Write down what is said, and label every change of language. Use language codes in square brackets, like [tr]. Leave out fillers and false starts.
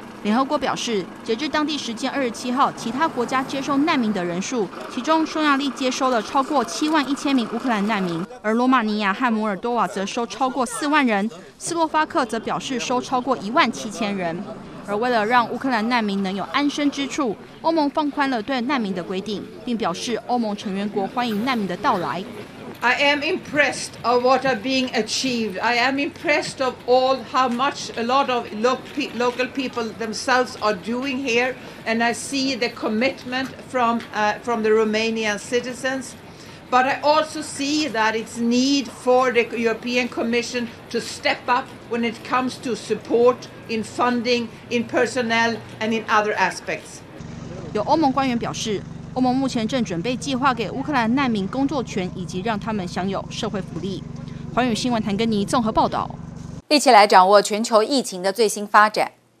[zh] 联合国表示，截至当地时间27号，其他国家接收难民的人数，其中匈牙利接收了超过71000名乌克兰难民，而罗马尼亚和摩尔多瓦则收超过4万人，斯洛伐克则表示收超过17000人。而为了让乌克兰难民能有安身之处，欧盟放宽了对难民的规定，并表示欧盟成员国欢迎难民的到来。 [en] I am impressed of what are being achieved. I am impressed of all how much a lot of local people themselves are doing here. And I see the commitment from the Romanian citizens. But I also see that it's need for the European Commission to step up when it comes to support in funding, in personnel, and in other aspects. [zh] 有欧盟官员表示，欧盟目前正准备计划给乌克兰难民工作权，以及让他们享有社会福利。环宇新闻谭根妮综合报道。一起来掌握全球疫情的最新发展。